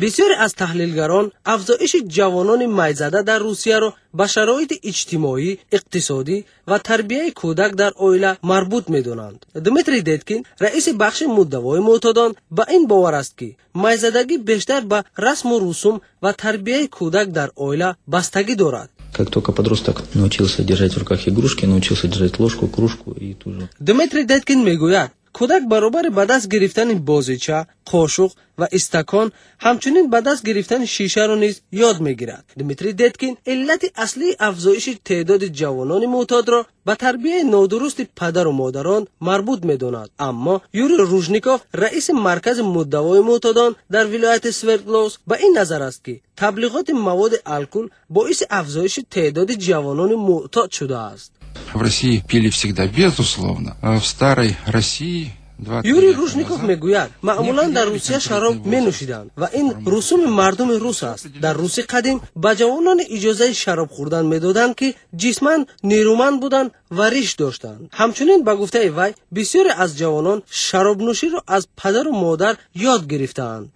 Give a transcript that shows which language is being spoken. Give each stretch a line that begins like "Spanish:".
Persian: بسیاری از تحلیلگران افزایش جوانان میزده در روسیه را به شرایط اجتماعی، اقتصادی و تربیه کودک در اویله مربوط می دونند. دمیتری دیدکین، رئیس بخش مدوای معتادان به این باور است که میزدگی بیشتر به رسم و رسوم و تربیه کودک در اویله بستگی دارد.
Russian: Как только подросток научился держать в руках игрушки, научился держать ложку, кружку и ту же.
Tajik: Дмитрий Деткин мегуят. Кудак баробари ба даст гирифтани бозича, қошуқ ва истакон, ҳамчунин ба даст гирифтани шишаро низ ёд мегирад. Дмитрий Деткин иллати аслии афзоиши теъдоди ҷавонони муътадро ба тарбияи нодурусти падару модарон марбут медонад. Аммо Юрий Ружников, раиси маркази муддавои муътадон дар вилояти Свердловск, ба ин назар аст ки таблиғоти маводи алкул боиси афзоиши теъдоди ҷавонони муътад шудааст.
Russian: В России пили всегда, безусловно. А в старой России...
Tajik: Юрий Ружников мегуяд, маъмулан дар Русия шароб менӯшиданд ва ин русуми мардуми рус аст. Дар Руси қадим ба ҷавонон иҷозаи шароб хӯрдан медоданд, ки ҷисман нерӯманд буданд ва риш доштанд. Ҳамчунин, ба гуфтаи вай, бисёре аз ҷавонон шаробнӯширо аз падару модар ёд гирифтаанд.